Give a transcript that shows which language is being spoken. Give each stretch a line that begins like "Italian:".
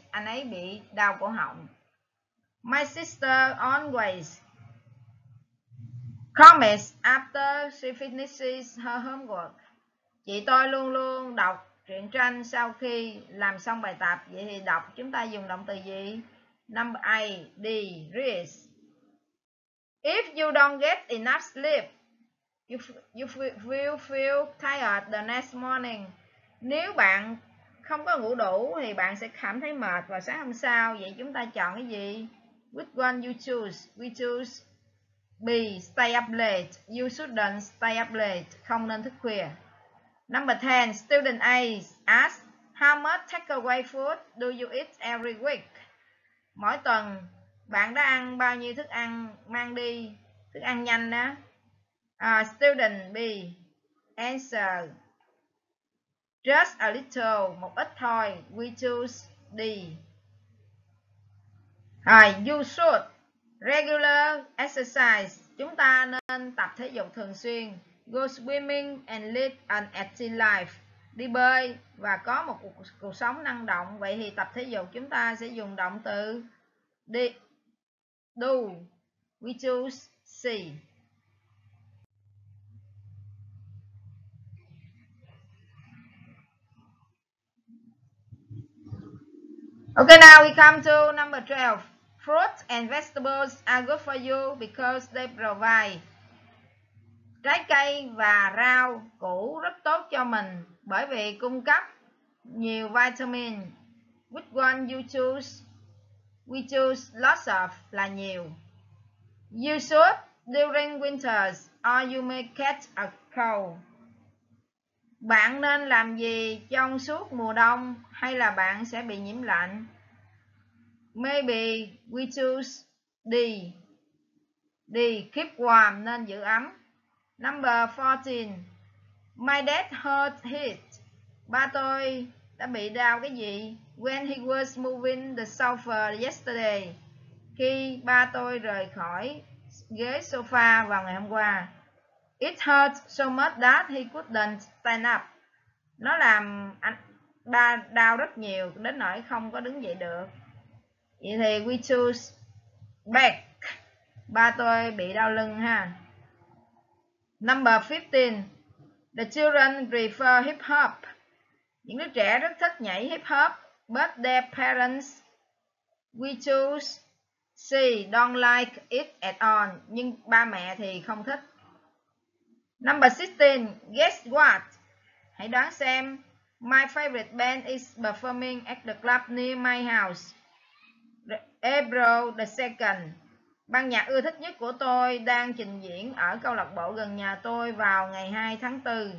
Vietnamese: Anh ấy bị đau cổ họng.
English: My sister always comments after she finishes her homework.
Vietnamese: Chị tôi luôn luôn đọc truyện tranh sau khi làm xong bài tập. Vậy thì đọc chúng ta dùng động từ gì?
English: Number A, D, read. If you don't get enough sleep, you will feel tired the next morning.
Vietnamese: Nếu bạn không có ngủ đủ thì bạn sẽ cảm thấy mệt vào sáng hôm sau. Vậy chúng ta chọn cái gì?
English: Which one you choose? We choose B, stay up late. You shouldn't stay up late.
Vietnamese: Không nên thức khuya.
English: Number 10, student A asks, how much takeaway food do you eat every week?
Vietnamese: Mỗi tuần, bạn đã ăn bao nhiêu thức ăn mang đi, thức ăn nhanh đó?
English: Student B, answer, just a little,
Vietnamese: một ít thôi.
English: We choose D. You should regular exercise.
Vietnamese: Chúng ta nên tập thể dục thường xuyên.
English: Go swimming and lead an active life.
Vietnamese: Đi bơi và có một cuộc sống năng động. Vậy thì tập thể dục chúng ta sẽ dùng động từ
English: D. Do. We choose C. Okay, now we come to number 12. Fruits and vegetables are good for you because they provide.
Vietnamese: Trái cây và rau củ rất tốt cho mình bởi vì cung cấp nhiều vitamin.
English: Which one you choose? We choose lots of
Vietnamese: là nhiều.
English: You should during winters or you may catch a cold.
Vietnamese: Bạn nên làm gì trong suốt mùa đông hay là bạn sẽ bị nhiễm lạnh?
English: Maybe we choose D. D, keep warm,
Vietnamese: nên giữ ấm.
English: Number 14. My dad hurt his.
Vietnamese: Ba tôi đã bị đau cái gì?
English: When he was moving the sofa yesterday.
Vietnamese: Khi ba tôi rời khỏi ghế sofa vào ngày hôm qua.
English: It hurt so much that he couldn't stand up.
Vietnamese: Nó làm anh ba đau rất nhiều đến nỗi không có đứng dậy được. Vậy thì
English: we choose back.
Vietnamese: Ba tôi bị đau lưng ha.
English: Number 15. The children prefer hip hop.
Vietnamese: Những đứa trẻ rất thích nhảy hip hop.
English: But their parents, we choose C, don't like it at all.
Vietnamese: Nhưng ba mẹ thì không thích.
English: Number 16, guess what?
Vietnamese: Hãy đoán xem,
English: my favorite band is performing at the club near my house. April the 2nd,
Vietnamese: ban nhạc ưa thích nhất của tôi đang trình diễn ở câu lạc bộ gần nhà tôi vào ngày 2 tháng 4.